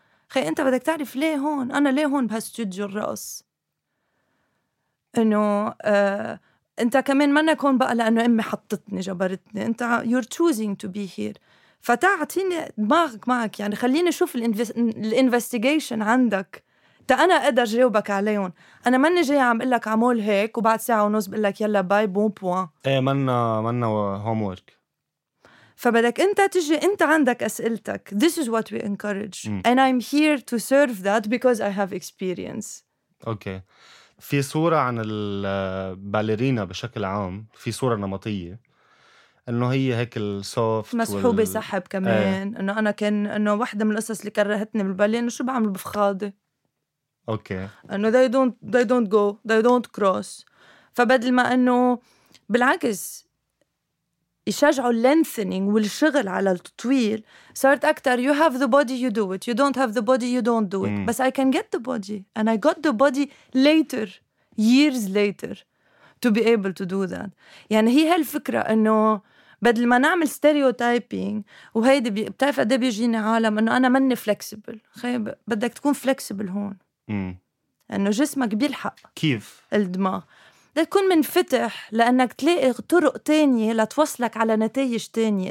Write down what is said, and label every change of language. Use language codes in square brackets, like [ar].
[ar] خي أنت بدك تعرف ليه هون، أنا ليه هون بهالستوديو الرقص، إنه أنت كمان ما نكون بقى لأنه أمي حطتني جبرتني، أنت you're choosing to be here، فتعطيني دماغك معك يعني، خليني أشوف الانفستيجيشن عندك تا أنا أقدر جاوبك عليهم. أنا ماني جاي عم قلك عمول هيك وبعد ساعة ونص بقلك يلا باي بون بوان. إيه منا هومورك. فبدك أنت تجي، أنت عندك أسئلتك. [en] This is what we encourage. And I'm here to serve that because I have experience. [ar] أوكي. في صورة عن الباليرينا بشكل عام، في صورة نمطية إنه هي هيك الصوف مسحوبة سحب كمان. إنه أنا كان إنه واحدة من القصص اللي كرهتني بالبالي إنه شو بعمل بفخادة. اوكي انه they don't go they don't cross. فبدل ما انه بالعكس يشجعوا lengthening والشغل على التطويل، صارت اكثر you have the body you do it you don't have the body you don't do it. [en] بس I can get the body and I got the body later years later to be able to do that. [ar] يعني هي هالفكره انه بدل ما نعمل stereotyping، وهيدي بتعرف قد بيجيني عالم انه انا ماني flexible. خيب بدك تكون flexible هون انه جسمك بيلحق. كيف الدماغ تكون منفتح لانك تلاقي طرق تانية لتوصلك على نتائج تانية.